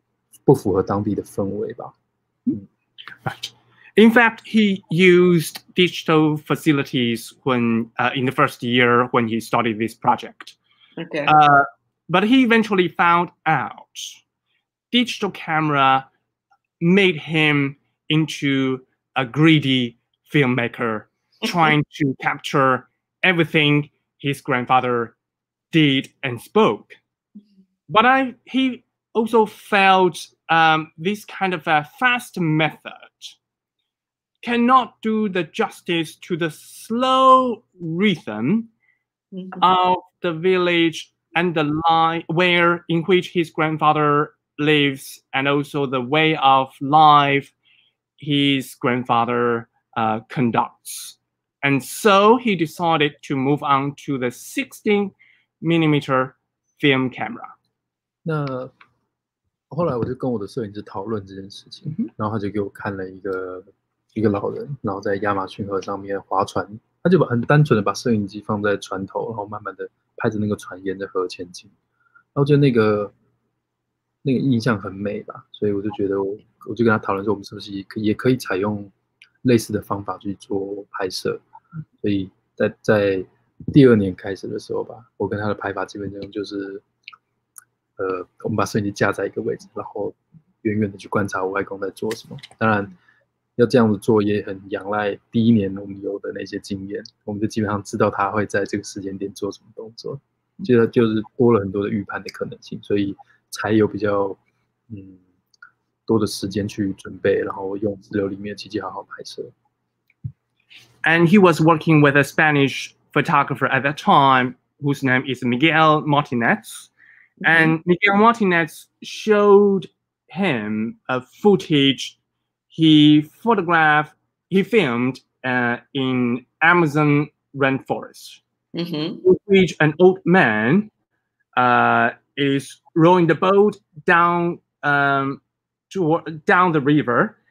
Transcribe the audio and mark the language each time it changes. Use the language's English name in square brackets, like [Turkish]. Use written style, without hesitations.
[Chinese] 的素材是基本上没有限制，只要你有够多的硬碟都没问题。那在，所以那个时候就我外公不管做什么我都要去拍，然后他讲什么我都要去拍。那我在剪接的时候就发现，这样子的节奏其实并不像他的生活的样子。但是就是那个摄影机的运动太快太急了，其实不符合当地的氛围吧。嗯。 [English] In fact, he used digital facilities when in the first year when he started this project. But he eventually found out digital camera made him into a greedy filmmaker trying to capture everything his grandfather did and spoke. But he also felt this kind of a fast method cannot do the justice to the slow rhythm of the village and the line where in which his grandfather lives, and also the way of life his grandfather conducts. And so he decided to move on to the 16 millimeter film camera. [Chinese] 后来我就跟我的摄影师讨论这件事情，然后他就给我看了一个老人，然后在亚马逊河上面划船，他就很单纯的把摄影机放在船头，然后慢慢的拍着那个船沿着河前进，然后就那个印象很美吧，所以我就觉得我就跟他讨论说，我们是不是也可以采用类似的方法去做拍摄，所以在第二年开始的时候吧，我跟他的拍法基本上就是，我们把摄影机架在一个位置，然后远远的去观察我外公在做什么。当然，要这样子做也很仰赖第一年我们有的那些经验，我们就基本上知道他会在这个时间点做什么动作，就是多了很多的预判的可能性，所以才有比较多的时间去准备，然后用自流里面的机器好好拍摄。 [English] And he was working with a Spanish photographer at that time, whose name is Miguel Martinez. And Miguel Martinez showed him a footage he filmed in Amazon rainforest, which an old man is rowing the boat down the river.